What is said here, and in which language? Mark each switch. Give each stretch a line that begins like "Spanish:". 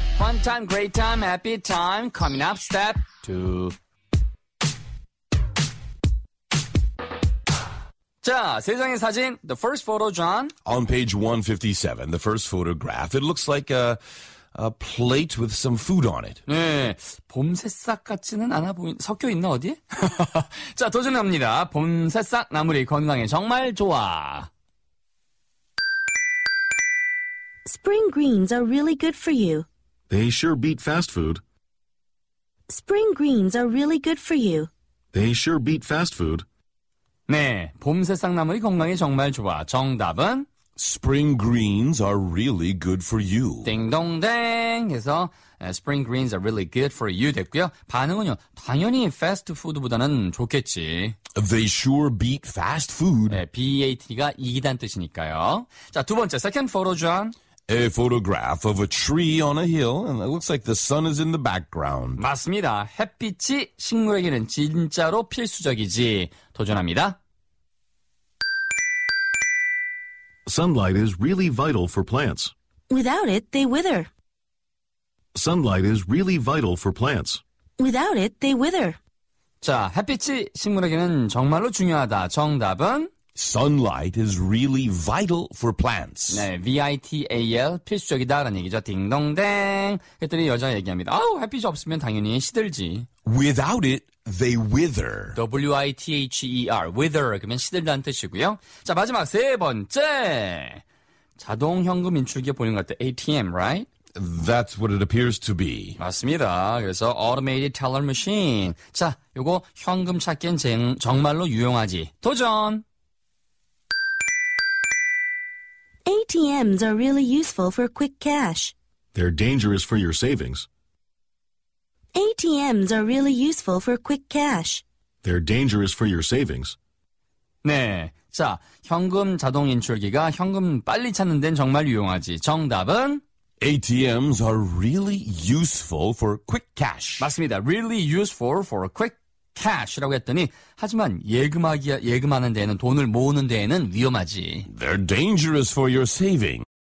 English: Fun time, great time, happy time. Coming up, step two.
Korean: 자, 세 장의 사진.
English: The first photo,
Korean: John.
English: On page 157, the first photograph. It looks like a plate with some food on it.
Korean: 네, 봄 새싹 같지는 않아 보인. 섞여 있나 어디? 자, 도전합니다. 봄 새싹 나물이 건강에 정말 좋아.
English: Spring greens are really good for you. They sure beat fast food. Spring greens are really good for you. They sure beat fast food.
Korean: 네, 봄 새싹 나물이 건강에 정말 좋아. 정답은?
English: Spring greens are really good for you.
Korean: 딩동댕 해서
English: spring greens are really good for you
Korean: 됐고요. 반응은요. 당연히 fast food보다는 좋겠지.
English: They sure beat fast food.
Korean: 네, BAT가 이기단 뜻이니까요. 자, 두 번째,
English: second photo,
Korean: John.
English: A photograph of a tree on a hill, and it looks like the sun is in the background.
Korean: 맞습니다. 햇빛이 식물에게는 진짜로 필수적이지. 도전합니다.
English: Sunlight is really vital for plants. Without it, they wither. Sunlight is really vital for plants. Without it, they wither.
Korean: 자, 햇빛이 식물에게는 정말로 중요하다. 정답은?
English: Sunlight is really vital for plants.
Korean: 네, V-I-T-A-L, 필수적이다라는 얘기죠. 딩동댕. 그랬더니 여자 얘기합니다. 아우, 햇빛이 없으면 당연히 시들지.
English: Without it, They wither. W-I-T-H-E-R. Wither.
Korean: 그러면 시들다는 뜻이고요. 자, 마지막 세 번째. 자동 현금 인출기 보는 것 같아.
English: ATM, right? That's what it appears to be.
Korean: 맞습니다.
English: 그래서 automated teller machine.
Korean: 자, 요거 현금 찾기엔 정말로 유용하지. 도전!
English: ATMs are really useful for quick cash. They're dangerous for your savings. ATMs are really useful for quick cash. They're dangerous for your savings.
Korean: 네. 자, 현금 자동 인출기가 현금 빨리 찾는 데는 정말 유용하지. 정답은?
English: ATMs are really useful for quick cash.
Korean: 맞습니다.
English: Really useful for quick cash
Korean: 라고 했더니 하지만 예금하는 데에는 돈을 모으는 데에는 위험하지.
English: They're dangerous for your saving.